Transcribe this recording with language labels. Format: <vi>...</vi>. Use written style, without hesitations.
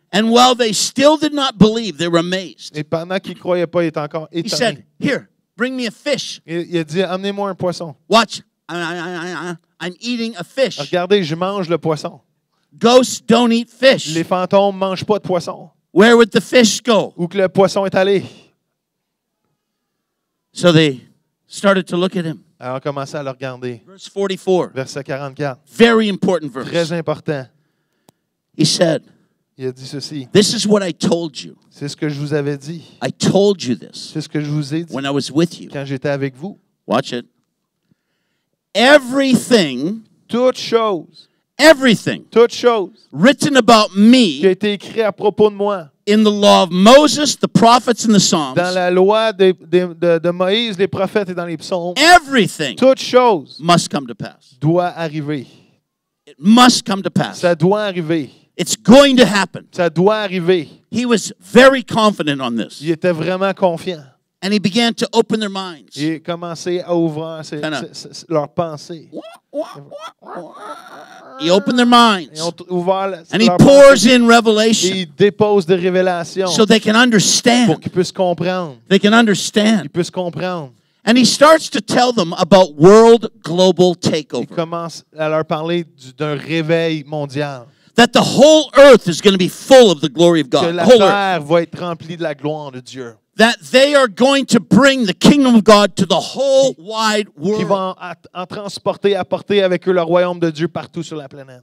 <en>And while they still did not believe, they were amazed.</en> <fr>Et pendant qu'ils croyaient pas, ils étaient encore étonnés.</fr> <en>He said, "Here, bring me a fish."</en> <fr>Il a dit, "Amenez-moi un poisson."</fr> <en>Watch, I'm eating a fish.</en> <fr>Regardez, je mange le poisson.</fr> <en>Ghosts don't eat fish.</en> <fr>Les fantômes mangent pas de poisson.</fr> <en>Where would the fish go?</en> <fr>Où que le poisson est allé?</fr> <en>So they started to look at him.</en> <fr>Alors, ils commençaient à le regarder.</fr> <en>Verse 44.</en> <fr>Verset 44.</fr> <en>Very important verse.</en> <fr>Très important.</fr> <en>He said.</en> <fr>Il a dit ceci.</fr> <en>This is what I told you.</en> <fr>C'est ce que je vous avais dit.</fr> <en>I told you this.</en> <fr>C'est ce que je vous ai dit.</fr> <en>When I was with you.</en> <fr>Quand j'étais avec vous.</fr> <en>Watch it. Everything.</en> <fr>Toute chose.</fr> <en>Everything.</en> <fr>Toute chose.</fr> <en>Written about me.</en> <fr>Qui a été écrit à propos de moi.</fr> <en>In the law of Moses, the prophets, and the Psalms.</en> <fr>Dans la loi de Moïse, les prophètes et dans les psaumes.</fr> <en>Everything.</en> <fr>Toute chose.</fr> <en>Must come to pass.</en> <fr>Doit arriver.</fr> <en>It must come to pass.</en> <fr>Ça doit arriver.</fr> <en>It's going to happen.</en> <fr>Ça doit arriver.</fr> <en>He was very confident on this.</en> <fr>Il était vraiment confiant.</fr> <en>And he began to open their minds.</en> <fr>Il a commencé à ouvrir leurs pensées.</fr> <en>He opened their minds.</en> <fr>Ils ont ouvert leurs pensées.</fr> <en>And he pours in revelation.</en> <fr>Et il dépose des révélations.</fr> <en>So they can understand.</en> <fr>Pour qu'ils puissent comprendre.</fr> <en>They can understand.</en> <fr>Ils puissent comprendre.</fr> <en>And he starts to tell them about world global takeover.</en> <fr>Il commence à leur parler d'un réveil mondial.</fr> <en>That the whole earth is going to be full of the glory of God.</en> <fr>Que la</fr> <en>whole</en> <fr>terre earth. Va être remplie de la gloire de Dieu.</fr> <en>That they are going to bring the kingdom of God to the whole wide world.</en> <fr>Qui vont en transporter, apporter avec eux le royaume de Dieu partout sur la planète.</fr>